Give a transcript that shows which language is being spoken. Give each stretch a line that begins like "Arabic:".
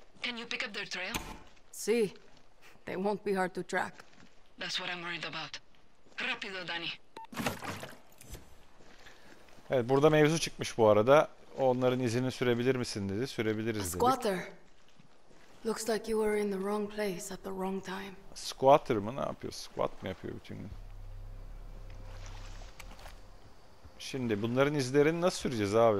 English: Can you pick up their trail? See, they won't be hard to track. That's what I'm worried about. Rapido, Danny.
Turkish: Evet, burada mevzu çıkmış bu arada. Onların izini sürebilir misin dedi. Sürebiliriz dedik.
English: A squatter. Looks like you were in the wrong place at the wrong time.
Turkish: Squatter mı? Ne yapıyor? Squat mı yapıyor bütün gün? Şimdi bunların izlerini nasıl süreceğiz abi?